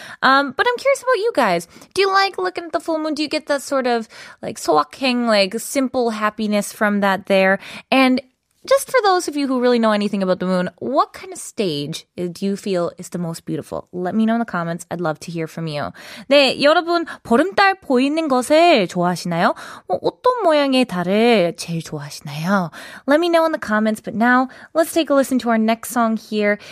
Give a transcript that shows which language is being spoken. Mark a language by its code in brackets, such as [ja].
[en] But I'm curious about you guys. Do you like looking at the full moon? Do you get that sort of like soak-heng, like simple happiness from that there? And just for those of you who really know anything about the moon, what kind of stage do you feel is the most beautiful? Let me know in the comments. I'd love to hear from you. [ko] 네, 여러분, 보름달 보이는 것을 좋아하시나요? 어떤 모양의 달을 제일 좋아하시나요? [en] Let me know in the comments. But now, let's take a listen to our next song here.